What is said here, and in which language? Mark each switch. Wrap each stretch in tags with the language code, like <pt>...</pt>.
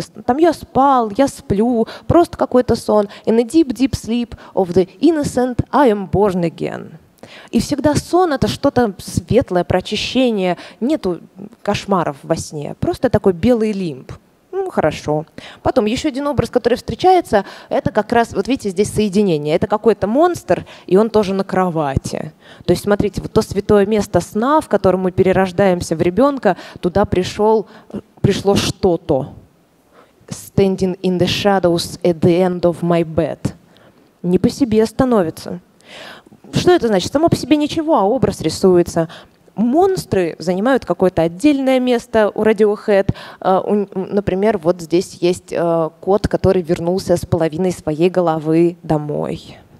<ru>Там «я спал», «я сплю», «просто какой-то сон»,</ru> <en>«in a deep, deep sleep of the innocent, I am born again».</en> <ru>И всегда сон — это что-то светлое, прочищение. Нету кошмаров во сне. Просто такой белый лимб. Ну, хорошо. Потом еще один образ, который встречается, это как раз, вот видите, здесь соединение. Это какой-то монстр, и он тоже на кровати. То есть, смотрите, вот то святое место сна, в котором мы перерождаемся в ребенка, туда пришло что-то.</ru> <en>Standing in the shadows at the end of my bed.</en> <ru>Не по себе становится. Что это значит? Само по себе ничего, а образ рисуется. Монстры занимают какое-то отдельное место у Radiohead. Например, вот здесь есть кот, который вернулся с половиной своей головы домой.</ru>